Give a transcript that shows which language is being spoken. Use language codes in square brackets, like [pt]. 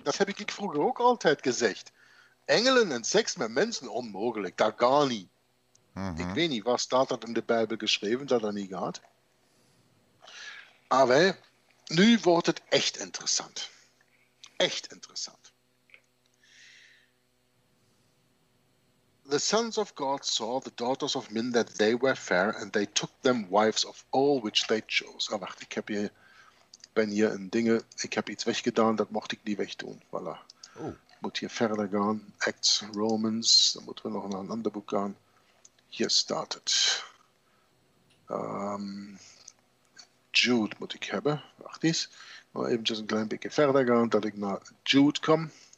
[nl] Dat heb ik vroeger ook altijd gezegd. Engelen en seks met mensen, onmogelijk. Dat gar niet. Mm-hmm. Ik weet niet, waar staat dat in de Bijbel geschreven, dat dat niet gaat? Aber, nu wordt het echt interessant. Echt interessant. [en] The sons of God saw the daughters of men that they were fair, and they took them wives of all which they chose. [nl] Oh, wacht, ik heb hier, ben hier in dingen, ik heb iets weggedaan, dat mocht ik niet wegdoen. Voilà. Oh. Moet hier verder gaan. Acts, Romans, dan moeten we nog naar een ander boek gaan. Hier staat het. Jude moet ik hebben. Wacht eens. Maar eventjes een klein beetje verder gaan, dat ik naar Jude kom.